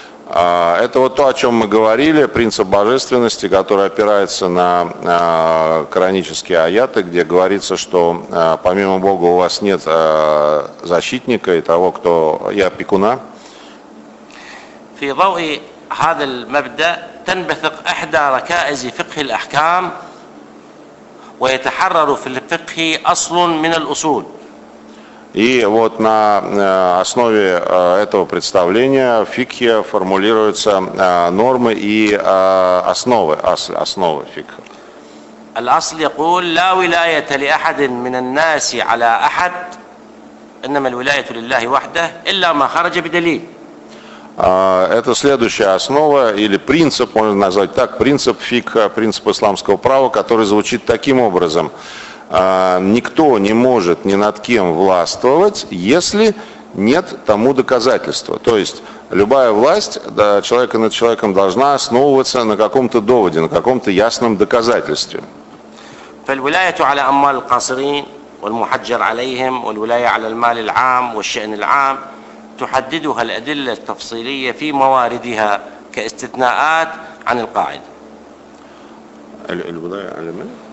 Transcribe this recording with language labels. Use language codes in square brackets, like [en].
[ru] Это вот то, о чем мы говорили, принцип божественности, который опирается на коранические аяты, где говорится, что помимо Бога у вас нет защитника и того, кто я пекуна. [ar] في ضوء هذا المبدأ تنبثق إحدى ركائز فقه الأحكام ويتحرر في الفقه أصل من الأصول. [ru] И вот на основе этого представления в фикхе формулируются нормы и основы фикха. [ar] Аль-Асль يقول لا ولاية لأحد من الناس على أحد إنما الولاية لله وحده إلا ما خرج بدليل. [ru] Это следующая основа или принцип, можно назвать так, принцип фикха, принцип исламского права, который звучит таким образом. Никто не может ни над кем властвовать, если нет тому доказательства. То есть любая власть, да, человека над человеком должна основываться на каком-то доводе, на каком-то ясном доказательстве. [ar] فالولاية على أموال القاصرين والمحجر عليهم والولاية على المال العام والشأن العام تحددها الأدلة التفصيلية في مواردها كاستثناءات عن القاعدة. الولاية على المال؟